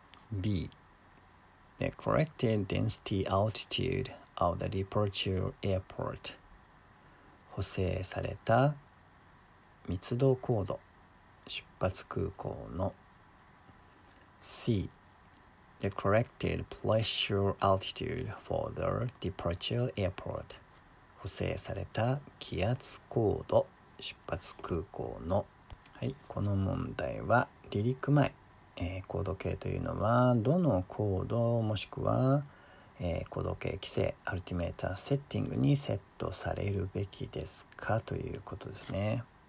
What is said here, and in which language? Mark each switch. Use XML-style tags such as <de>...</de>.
<en>B. The corrected density altitude of the departure airport.</en> <ja>補正された密度高度出発空港の。</ja> <en>C. The corrected pressure altitude for the departure airport.</en> <ja>補正された気圧高度出発空港の。はい、この問題は離陸前高度計というのはどの高度もしくは、高度計規制アルティメーターセッティングにセットされるべきですかということですね。</ja>